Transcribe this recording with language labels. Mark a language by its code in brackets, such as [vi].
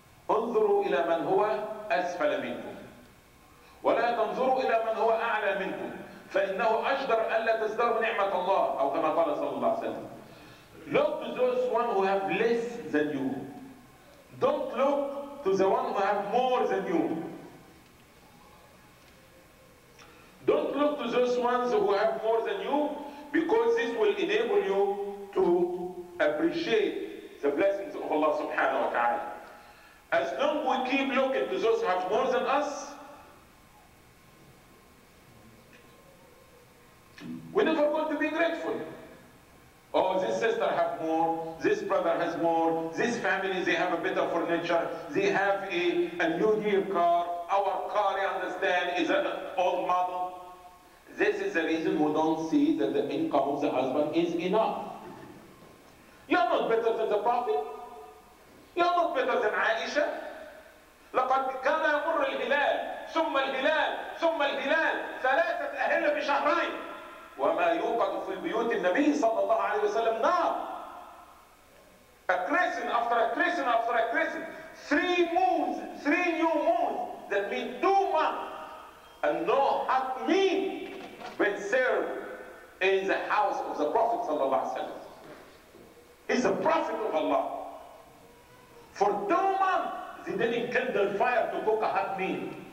[ar] انظروا إلى من هو أسفل منكم ولا تنظروا إلى من هو أعلى منكم فإنه أجدر ألا تزدروا نعمة الله أو كما قال صلى الله عليه وسلم. [en] Look to those one who have less than you. Don't look to the one who have more than you. Don't look to those ones who have more than you because this will enable you to appreciate the blessings of Allah subhanahu wa ta'ala. As long as we keep looking to those who have more than us, we're never going to be grateful. Oh, this sister has more, this brother has more, this family, they have a better furniture, they have a new year car, our car, you understand, is an old model. This is the reason we don't see that the income of the husband is enough. You're not better than the Prophet. You're not better than Aisha. [ar] لقد كان يمر الهلال ثم الهلال ثم الهلال ثلاثة أهل في شهرين وما يوقد في البيوت النبي صلى الله عليه وسلم نار. [en] A crescent after a crescent after a crescent. Three moons, three new moons. That means 2 months. And no hot meat been served in the house of the Prophet [ar] صلى الله عليه وسلم. [en] He's a prophet of Allah. For 2 months, they didn't kindle fire to cook a hot meal.